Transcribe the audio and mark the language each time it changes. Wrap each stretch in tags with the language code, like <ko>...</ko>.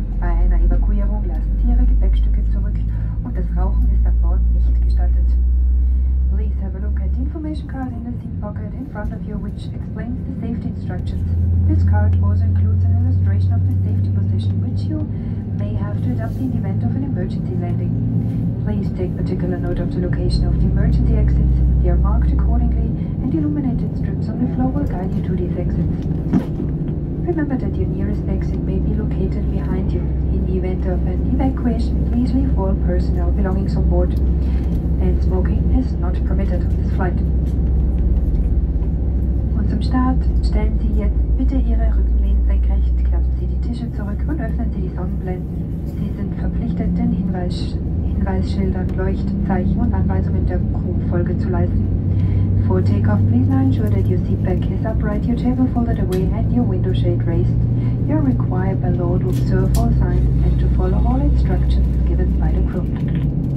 <de>Bei einer Evakuierung lassen Sie Ihre Gepäckstücke zurück und das Rauchen ist an Bord nicht gestattet.</de> <en>Please have a look at the information card in the seat pocket in front of you, which explains the safety instructions. This card also includes an illustration of the safety position, which you may have to adopt in the event of an emergency landing. Please take particular note of the location of the emergency exits. They are marked accordingly, and illuminated strips on the floor will guide you to these exits. Remember that your nearest exit may be located behind you. In the event of an evacuation, please leave all personnel belongings on board. And smoking is not permitted on this flight.</en> <de>Und zum Start stellen Sie jetzt bitte Ihre Rückenlehnen senkrecht, klappen Sie die Tische zurück und öffnen Sie die Sonnenblenden. Sie sind verpflichtet, den Hinweisschildern, Leuchtzeichen und Anweisungen der Crew Folge zu leisten.</de> <en>For takeoff, please now ensure that your seat back is upright, your table folded away and your window shade raised. You are required by law to observe all signs and to follow all instructions given by the crew.</en>